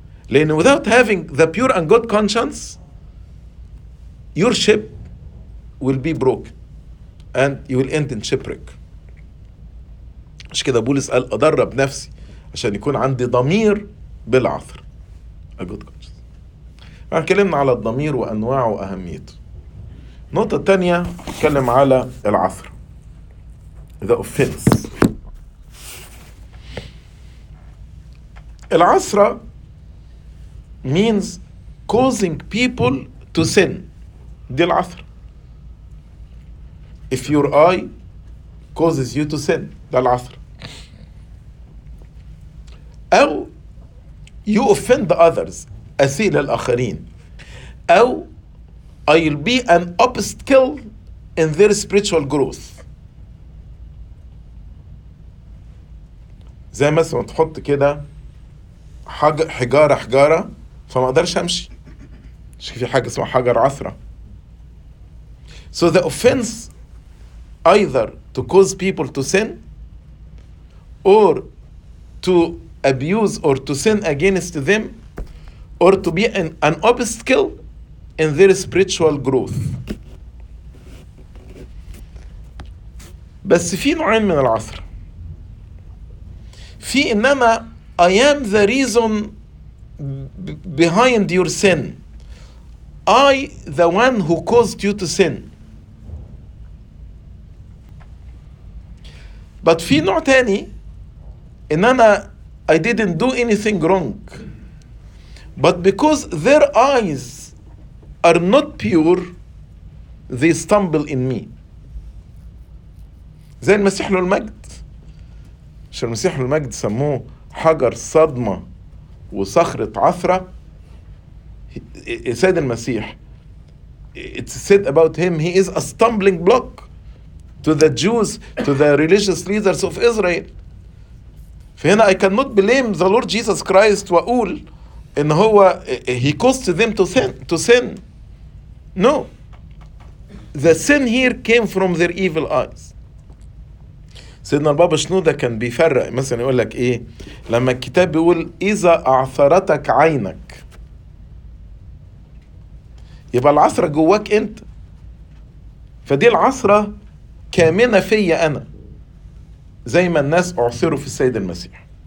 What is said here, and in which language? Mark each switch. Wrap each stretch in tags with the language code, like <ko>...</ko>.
<ar>لأن</ar> <en>without having the pure and good conscience your ship will be broken and you will end in shipwreck.</en> <ar>مش كده بولس قال أدرب نفسي عشان يكون عندي ضمير بالعثر،</ar> <en>a good conscience.</en> <ar>هنكلمنا على الضمير وأنواعه وأهميته. نقطة تانية نتكلم على العثر،</ar> <en>the offense. العثرة means causing people to sin.</en> <ar>دي العثرة.</ar> <en>If your eye causes you to sin,</en> <ar>ده العثرة. أو</ar> <en>you offend others,</en> <ar>أسيل الآخرين.</ar> <en>أو I'll be an obstacle in their spiritual growth.</en> <ar>زي مثلا تحط كده حجارة حجارة فما اقدرش امشي، مش في حاجة اسمها حجر عثرة.</ar> <en>So the offense either to cause people to sin or to abuse or to sin against them or to be an obstacle in their spiritual growth.</en> <ar>بس في نوعين من العثرة. في إنما</ar> <en>I am the reason behind your sin. I the one who caused you to sin. But</en> <ar>في نوع تاني إن أنا</ar> <en>I didn't do anything wrong. But because their eyes are not pure they stumble in me.</en> <ar>زي المسيح له المجد، عشان المسيح له المجد سموه حجر صدمة وصخرة عثرة. سيد المسيح,</ar> <en>it's said about him, he is a stumbling block to the Jews, to the religious leaders of Israel.</en> <ar>فهنا</ar> <en>I cannot blame the Lord Jesus Christ</en> <ar>وأقول إن هو</ar> <en>he caused them to sin. No. The sin here came from their evil eyes.</en> <ar>سيدنا البابا شنودة كان بيفرق مثلا, يقول لك إيه لما الكتاب بيقول إذا أعثرتك عينك, يبقى العثرة جواك أنت, فدي العثرة كامنة فيا أنا زي ما الناس أعثروا في السيد المسيح.</ar>